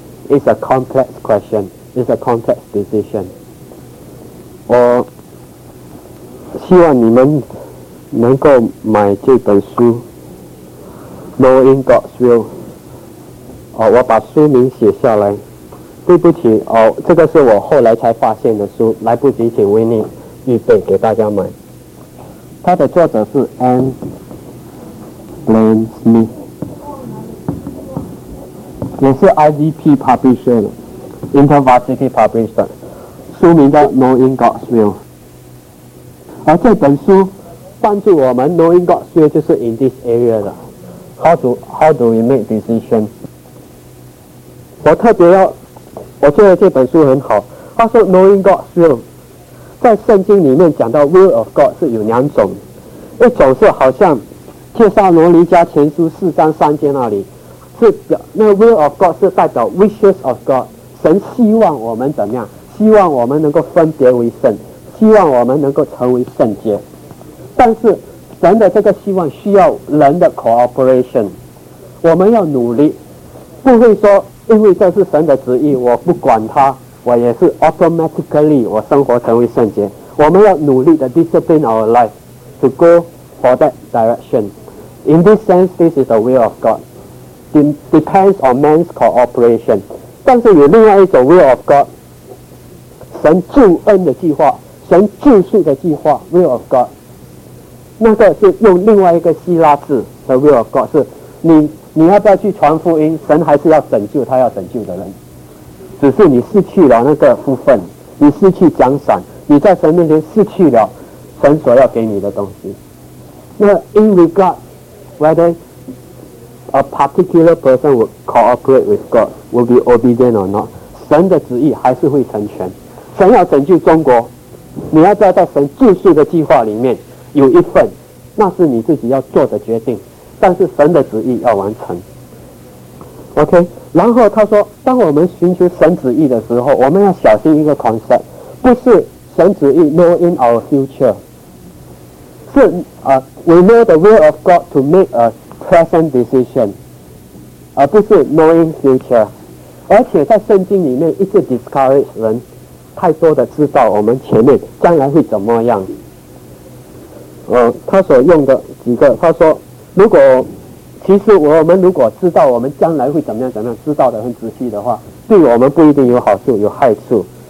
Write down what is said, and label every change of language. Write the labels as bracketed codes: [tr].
[en] It's a complex question. It's a complex decision. [zh] 我希望你们能够买这本书 [en] Knowing God's Will。 [zh] 我把书名写下来，对不起，这个是我后来才发现的书，来不及请维尼预备给大家买。它的作者是 Ann Glenn Smith，也是 IVP Publisher 的 InterVarsity Publisher， 书名叫 Knowing God's Will。而这本书帮助我们 [en] Knowing God's Will 就是 in this area 的 How do we make decision。 [zh] 我特别要，我觉得这本书很好，他说 Knowing God's Will 在圣经里面讲到 Will of God 是有两种，一种是好像介绍罗尼加前书四章三节那里，是表那 will of God 是代表 wishes of God， 神希望我们怎么样？希望我们能够分别为圣，希望我们能够成为圣洁。但是神的这个希望需要人的 cooperation， 我们要努力，不会说因为这是神的旨意，我不管他，我也是 automatically 我生活成为圣洁。我们要努力的 [en] discipline our life to go for that direction。 In this sense this is the will of GodDepends on man's cooperation。 [zh] 但是有另外一种 will of God， 神救恩的计划，神救赎的计划， will of God， 那个是用另外一个希腊字的 will of God， 是你要不要去传福音，神还是要拯救他要拯救的人，只是你失去了那个福分，你失去奖赏，你在神面前失去了神所要给你的东西。 [en] 那 in regard whetherA particular person will cooperate with God, will be obedient or not, [zh] 神的旨意还是会成全。神要拯救中国，你要不要在神救赎的计划里面有一份，那是你自己要做的决定，但是神的旨意要完成。 OK， 然后他说，当我们寻求神旨意的时候，我们要小心一个 concept， 不是神旨意 [en] know in our future， [zh] 是 [en] we know the will of God to make a present decision， [zh] 而不是 [en] know in future。 [zh] 而且在圣经里面一直 discourage 人太多的知道我们前面将来会怎么样。他所用的几个，他说如果其实我们如果知道我们将来会怎么样怎么样，知道得很仔细的话，对我们不一定有好处有害处。